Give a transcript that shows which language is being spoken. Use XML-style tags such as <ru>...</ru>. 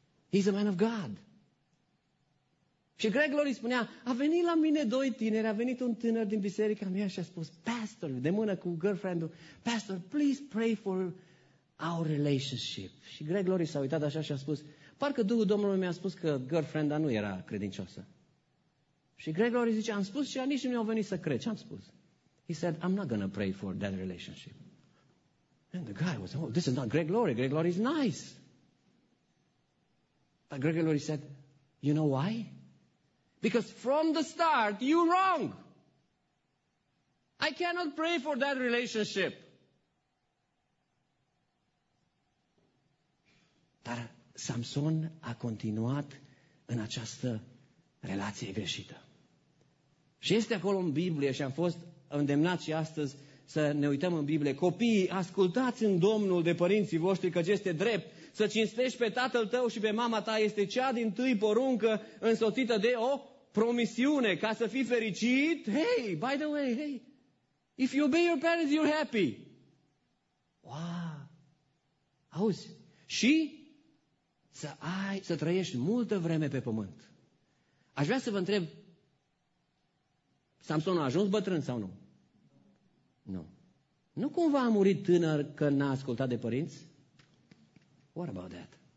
<en>He's a man of God.</en> <ro>Și Greg Laurie spunea, a venit la mine doi tineri, a venit un tânăr din biserica mea și a spus, pastor, de mână cu girlfriend-ul, pastor,</ro> <en>please pray for our relationship.</en> <ro>Și Greg Laurie s-a uitat așa și a spus, parcă Duhul Domnului mi-a spus că girlfriend-a nu era credincioasă. Și Greg Laurie zice, am spus și ea nici nu mi-a venit să cred. Ce am spus?</ro> <en>He said, I'm not going to pray for that relationship. And the guy was, oh, this is not Greg Laurie. Greg Laurie is nice. But Greg Laurie said, you know why? Because from the start, you're wrong. I cannot pray for that relationship.</en> <ro>Dar Samson a continuat în această relație greșită. Și este acolo în Biblie și am fost îndemnat și astăzi să ne uităm în Biblie. Copiii, ascultați în Domnul de părinții voștri, că este drept. Să cinstești pe tatăl tău și pe mama ta este cea din tâi poruncă însoțită de o promisiune. Ca să fii fericit,</ro> <en>hey, by the way, hey, if you obey your parents, you're happy.</en> <ro>Wow! Auzi? Și să trăiești multă vreme pe pământ. Aș vrea să vă întreb, Samson a ajuns bătrân sau nu? Nu. Nu cumva a murit tânăr că n-a ascultat de părinți?</ro> <en>What about that?</en>